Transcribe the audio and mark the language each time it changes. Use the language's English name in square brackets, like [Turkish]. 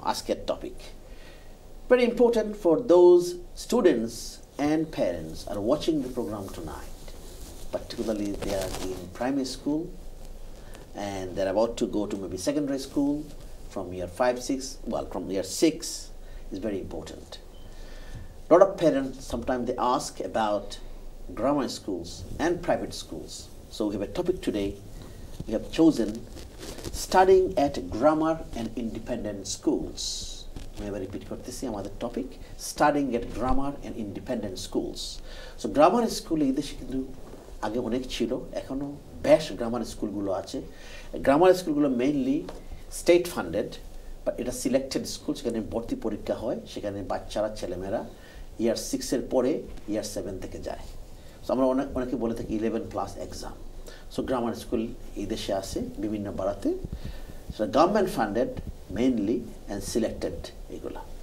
[English] আজকের topic very important for those students and parents are watching the programme tonight, particularly they are in primary school and they are about to go to maybe secondary school from year five six, well from year six is very important. Lot of parents, sometimes they ask about grammar schools and private schools. So we have a topic today, we have chosen studying at grammar and independent schools. We have a repeat for this year, another topic, studying at grammar and independent schools. So grammar school, this is the first time, the best grammar school [Bangla] gulo ache. Grammar school gulo [English] mainly state funded, [Bangla] বা এটা selected school, সেখানে ভর্তি পরীক্ষা হয়, সেখানে বাচ্চারা ছেলেমেয়েরা ইয়ার সিক্সের পরে ইয়ার সেভেন থেকে যায়। সো আমরা অনেক অনেকে বলে থাকি eleven plus exam. So grammar school এই দেশে আসে বিভিন্ন পাড়াতে, সেটা [English] government funded mainly and selected [Bangla] এগুলো।